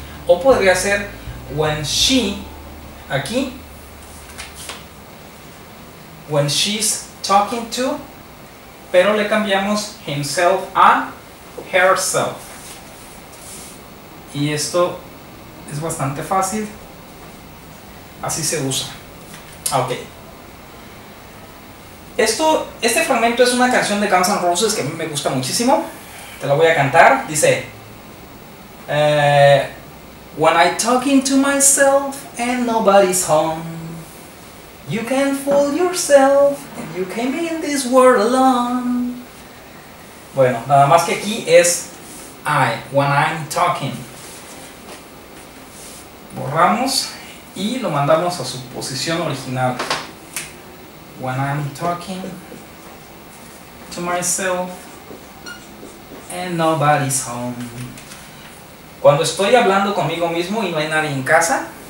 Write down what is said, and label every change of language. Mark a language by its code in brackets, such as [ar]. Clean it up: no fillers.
[es] O podría ser, when she, aquí, [en] when she's talking to, [es] pero le cambiamos himself a herself. Y esto es bastante fácil. Así se usa. Ok. Este fragmento es una canción de Guns N' Roses que a mí me gusta muchísimo. Te la voy a cantar. [en] Dice, when I talking to myself and nobody's home, you can fool yourself and you came in this world alone. [es] Bueno, nada más que aquí es I, [en] when I'm talking. [es] Borramos y lo mandamos a su posición original. [en] When I'm talking to myself and nobody's home. [es] Cuando estoy hablando conmigo mismo y no hay nadie en casa.